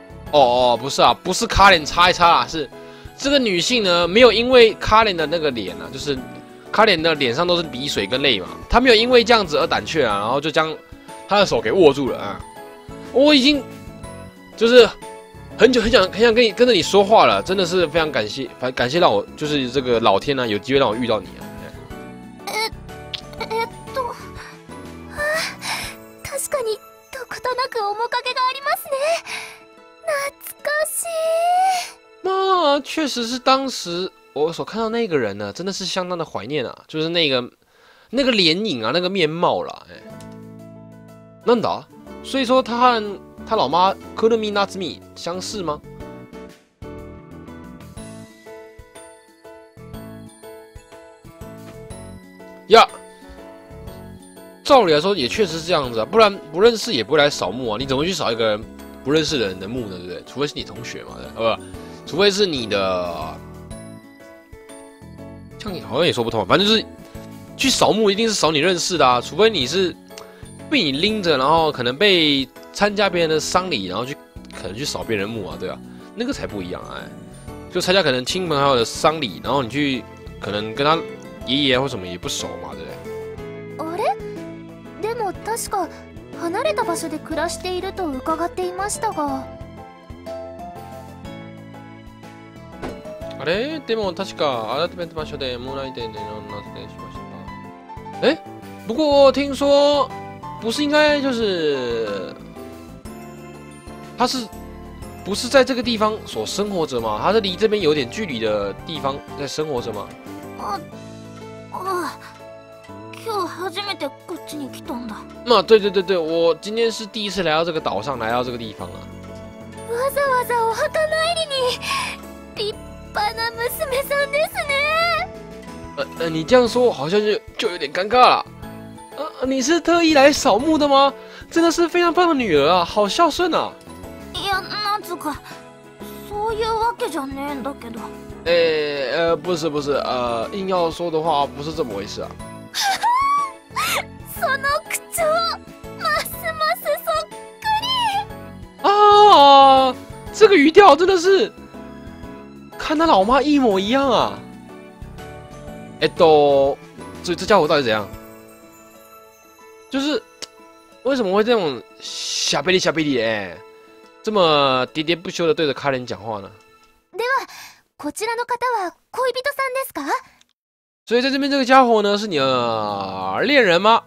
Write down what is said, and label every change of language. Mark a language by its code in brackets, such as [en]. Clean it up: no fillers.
[zh] 哦哦，不是啊，不是卡脸擦一擦啊，是这个女性呢，没有因为卡脸的那个脸啊，就是卡脸的脸上都是鼻水跟泪嘛，她没有因为这样子而胆怯啊，然后就将她的手给握住了啊。我已经就是很久很想跟着你说话了，真的是非常感谢，感谢让我就是这个老天呢、啊、有机会让我遇到你啊。 [ja] 啊，確かにどことなく面影がありますね。懐かしい。 [zh] 妈，确实是当时我所看到那个人呢，真的是相当的怀念啊，就是那个脸影啊，那个面貌啦。哎， [ja] なんだ？ [zh] 所以说他和他老妈クルミナツミ相似吗？呀，照理来说也确实是这样子啊，不然不认识也不会来扫墓啊，你怎么去扫一个人不认识的人的墓呢，对不对？除非是你同学嘛，对不对？除非是你的，像你好像也说不通，反正就是去扫墓一定是扫你认识的啊，除非你是被你拎着，然后可能被参加别人的丧礼，然后去可能去扫别人墓啊，对啊，那个才不一样啊、欸，就参加可能亲朋好友的丧礼，然后你去可能跟他爷爷或什么也不熟嘛，对不对？ [ja] あれ？でも確か。離れた場所で暮らしていると伺っていましたが。あれ？でも確か改めて場所でもらいでねのなってしました。え？ [zh] 不过听说不是应该就是他是不是在这个地方所生活着吗？他是离这边有点距离的地方在生活着吗？ [ja] 我初めてこっちに来たんだ。 [zh] まあ、对对对对、我今天是第一次来到这个岛上、来到这个地方啊。 [ja] わざわざお墓参りに、立派な娘さんですね。 [zh] 你这样说好像就有点尴尬了。你是特意来扫墓的吗？真的是非常棒的女儿啊，好孝顺啊。 [ja] いや、なんつうか、そういうわけじゃねえんだけど。 [zh] 不是不是、硬要说的话不是这么回事啊。 [ja] その口調ますますそっくり。 [zh] 啊，这个语调真的是，看他老妈一模一样啊。所以这家伙到底怎样？就是为什么会这种小贝利小贝利哎，这么喋喋不休的对着卡琳讲话呢？ [ja] ではこちらの方は恋人さんですか？ [zh] 所以在这边这个家伙呢，是你的恋人吗？